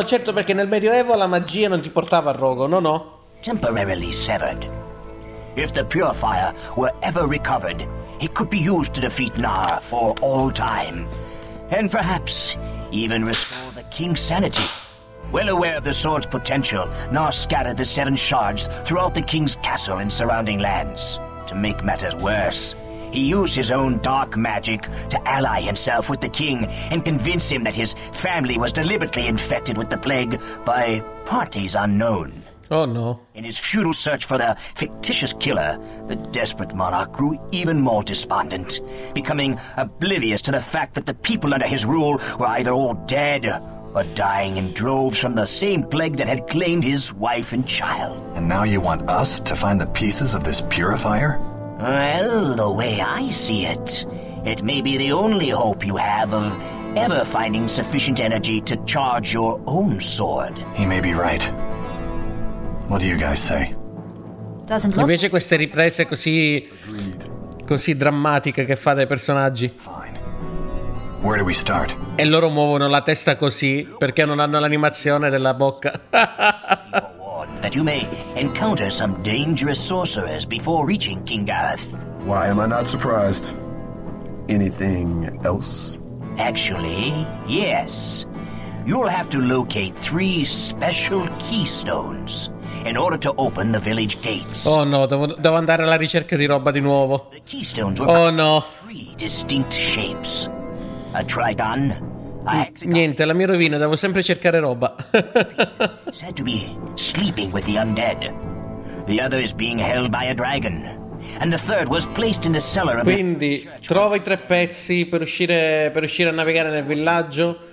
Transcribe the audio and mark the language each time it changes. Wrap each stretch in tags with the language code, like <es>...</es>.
<it>No, certo, perché nel Medioevo la magia non ti portava al rogo, no.</it> <en>Temporarily severed. If the purifier were ever recovered, it could be used to defeat Nar for all time. And perhaps even restore the king's sanity. Well aware of the sword's potential, Nar scattered the 7 shards throughout the king's castle and surrounding lands. To make matters worse, he used his own dark magic to ally himself with the king and convince him that his family was deliberately infected with the plague by parties unknown. Oh no. In his futile search for the fictitious killer, the desperate monarch grew even more despondent, becoming oblivious to the fact that the people under his rule were either all dead or dying in droves from the same plague that had claimed his wife and child. And now you want us to find the pieces of this purifier? Well, the way I see it, it may be the only hope you have of ever finding sufficient energy to charge your own sword. He may be right. What do you guys say? Doesn't look.</en> <it>Invece queste riprese così così drammatiche che fa dai personaggi.</it> <en>Fine. Where do we start?</en> <it>E loro muovono la testa così perché non hanno l'animazione della bocca.</it> <en>That you may encounter some dangerous sorcerers before reaching King Garth. Why am I not surprised? Anything else? Actually, yes. You'll have to locate 3 special keystones in order to open the village gates.</en> <it>Oh no, devo andare alla ricerca di roba di nuovo.</it> <en>The keystones were oh no. 3 distinct shapes. A trigon, a hexagon.</en> <it>Niente, la mia rovina, devo sempre cercare roba.</it> <en>Said to be sleeping with the undead. The other is being held by a dragon. And the third was placed in the cellar of.</en> <it>Quindi, trova i 3 pezzi per uscire a navigare nel villaggio.</it>